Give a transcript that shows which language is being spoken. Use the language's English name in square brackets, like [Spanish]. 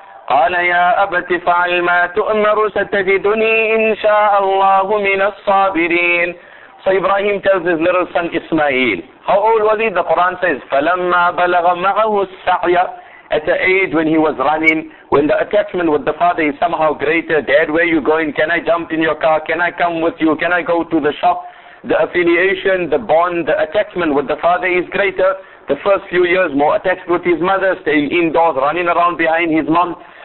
[Arabic] قال يا أبت فعل ما تؤمر ستجدني إن شاء الله من الصابرين. [English] So Ibrahim tells his little son Ismail. How old was he? The Quran says, [Arabic] فلما بلغ معه السعي. [English] At the age when he was running, when the attachment with the father is somehow greater, dad, where are you going? Can I jump in your car? Can I come with you? Can I go to the shop? The affiliation, the bond, the attachment with the father is greater. The first few years, more attached with his mother, staying indoors, running around behind his mom.